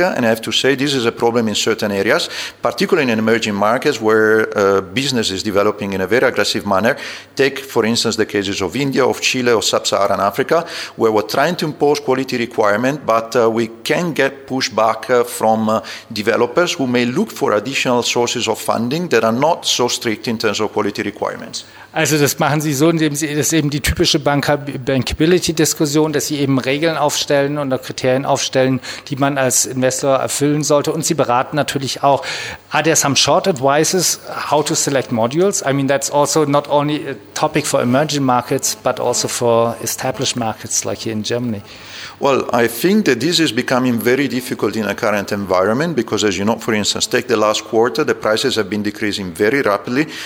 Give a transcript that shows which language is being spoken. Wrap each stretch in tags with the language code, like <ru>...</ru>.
<en>And I have to say, this is a problem in certain areas, particularly in emerging markets where business is developing in a very aggressive manner. Take, for instance, the cases of India, of Chile, or Sub-Saharan Africa, where we're trying to impose quality requirement, but we can get pushback from developers who may look for additional sources of funding that are not so strict in terms of quality requirements.</en> <de>Also das machen Sie so, indem Sie das eben die typische Bankability-Diskussion, dass Sie eben Regeln aufstellen und Kriterien aufstellen, die man als Investor erfüllen sollte. Und Sie beraten natürlich auch,</de> <en>are there some short advices how to select modules? I mean, that's also not only a topic for emerging markets, but also for established markets like here in Germany. Well, I think that this is becoming very difficult in a current environment because, as you know, for instance, take the last quarter, the prices have been decreasing very rapidly.</en>